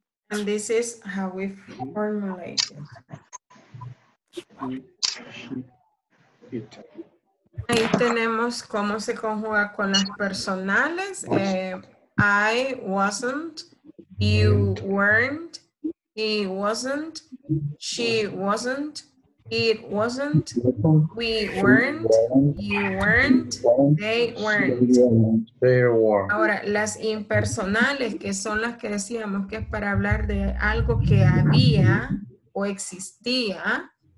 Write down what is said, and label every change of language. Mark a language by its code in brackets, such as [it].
[en] And this is how we formulate it. [es] Ahí tenemos cómo se conjuga con las personales. [en] I wasn't, you weren't, he wasn't, she wasn't, it wasn't, we weren't, you weren't, they weren't. They were. [es] Ahora, las impersonales, que son las que decíamos que es para hablar de algo que había o existía.